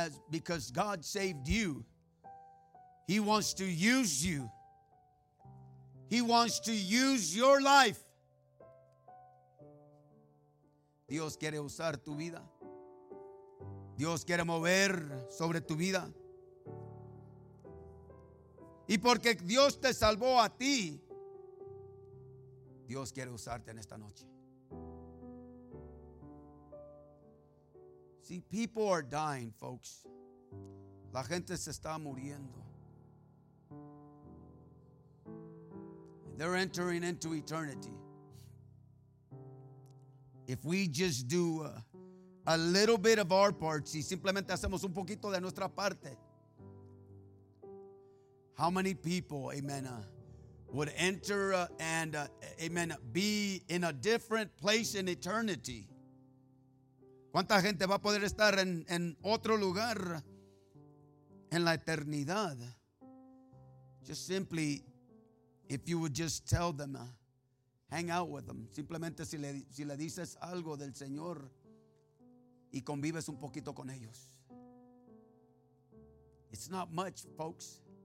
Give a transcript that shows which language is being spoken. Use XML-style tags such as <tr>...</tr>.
<en>Because God saved you, He wants to use you. He wants to use your life.</en> <es>Dios quiere usar tu vida. Dios quiere mover sobre tu vida. Y porque Dios te salvó a ti, Dios quiere usarte en esta noche.</es> <en>See, people are dying, folks.</en> <es>La gente se está muriendo.</es> <en>They're entering into eternity. If we just do a little bit of our part,</en> <es>si simplemente hacemos un poquito de nuestra parte,</es> <en>how many people, amen, would enter and, amen, be in a different place in eternity?</en> <es>¿Cuánta gente va a poder estar en otro lugar en la eternidad?</es> <en>Just simply, if you would just tell them, hang out with them.</en> <es>Simplemente si le dices algo del Señor y convives un poquito con ellos.</es> <en>It's not much, folks.</en>